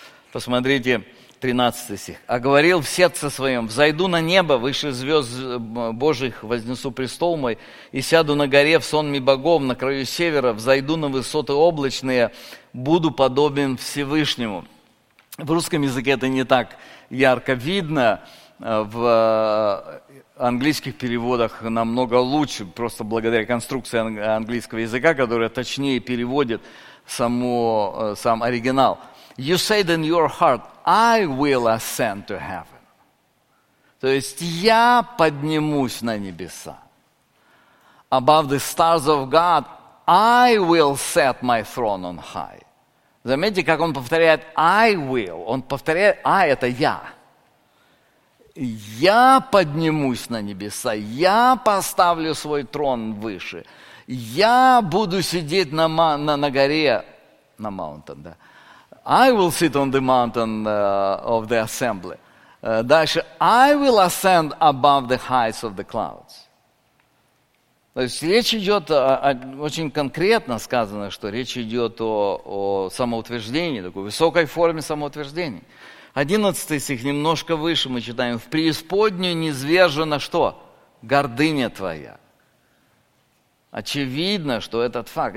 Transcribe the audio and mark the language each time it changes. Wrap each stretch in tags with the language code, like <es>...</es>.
<ru>Посмотрите, 13 стих. «А говорил в сердце своем, взойду на небо, выше звезд Божьих, вознесу престол мой, и сяду на горе в сонме богов, на краю севера, взойду на высоты облачные, буду подобен Всевышнему». В русском языке это не так ярко видно, в английских переводах намного лучше, просто благодаря конструкции английского языка, которая точнее переводит сам оригинал.</ru> <en>You say in your heart, I will ascend to heaven.</en> <ru>То есть я поднимусь на небеса.</ru> <en>Above the stars of God, I will set my throne on high.</en> <ru>Заметьте, как он повторяет</ru> <en>I will.</en> <ru>Он повторяет</ru> <en>I,</en> <ru>это я. Я поднимусь на небеса. Я поставлю свой трон выше. Я буду сидеть на горе, на</ru> <en>mountain,</en> <ru>да.</ru> <en>I will sit on the mountain of the assembly.</en> <ru>Дальше.</ru> <en>I will ascend above the heights of the clouds.</en> <ru>То есть речь идет, очень конкретно сказано, что речь идет о самоутверждении, такой высокой форме самоутверждения. 11 стих, немножко выше мы читаем. В преисподнюю низвержена что? Гордыня твоя. Очевидно, что этот факт.</ru>